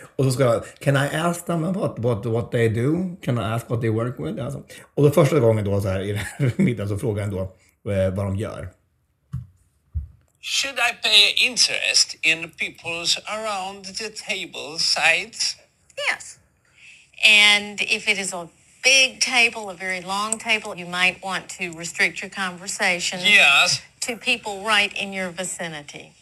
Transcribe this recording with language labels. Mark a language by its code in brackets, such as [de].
[sv] Och så ska jag, [en] can I ask them about what they do? Can I ask what they work with? [sv] Alltså. Och då första gången då så här i den här middagen så frågar jag då vad de gör. [en] Should I pay interest in people's around the table sites? Yes. And if it is a big table, a very long table, you might want to restrict your conversation. Yes. To people right in your vicinity.